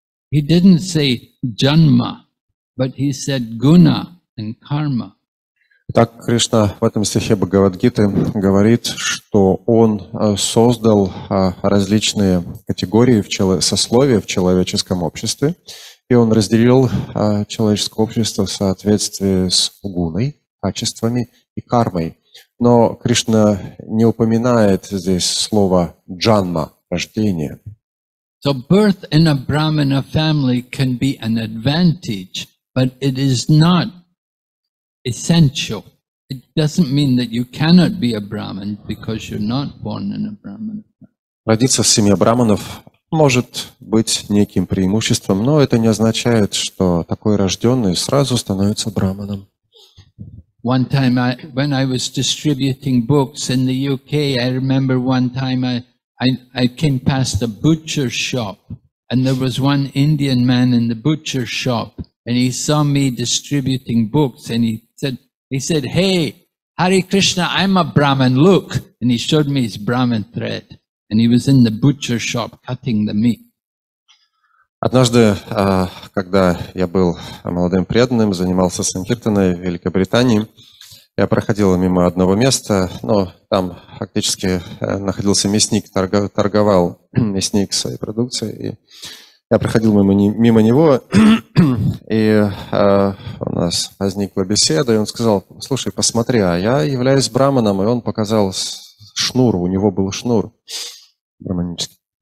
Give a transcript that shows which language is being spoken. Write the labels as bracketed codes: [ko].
[en] He didn't say janma, but he said guna and karma. [ru] Так Кришна в этом стихе Бхагавадгиты говорит, что он создал различные категории в сословия в человеческом обществе, и он разделил человеческое общество в соответствии с гуной, качествами и кармой. Но Кришна не упоминает здесь слово джанма, рождение. [en] So birth in a brahmana family can be an advantage, but it is not essential. It doesn't mean that you cannot be a brahmin because you're not born in a brahmin. [ru] Родиться в семье брахманов может быть неким преимуществом, но это не означает, что такой рожденный сразу становится брахманом. [en] One time, when I was distributing books in the UK, I remember one time I came past a butcher shop, and there was one Indian man in the butcher shop, and he saw me distributing books, and he said, "Hey, Hare Krishna, I'm a Brahmin, look." And he showed me his Brahmin thread. And he was in the butcher shop cutting the meat. [ru] Однажды, когда я был молодым преданным, занимался санкиртаной в Великобритании, я проходил мимо одного места, но там фактически находился мясник, торговал мясник своей продукцией. И я проходил мимо него, и у нас возникла беседа, и он сказал: «Слушай, посмотри, а я являюсь брахманом», и он показал шнур, у него был шнур брахманический.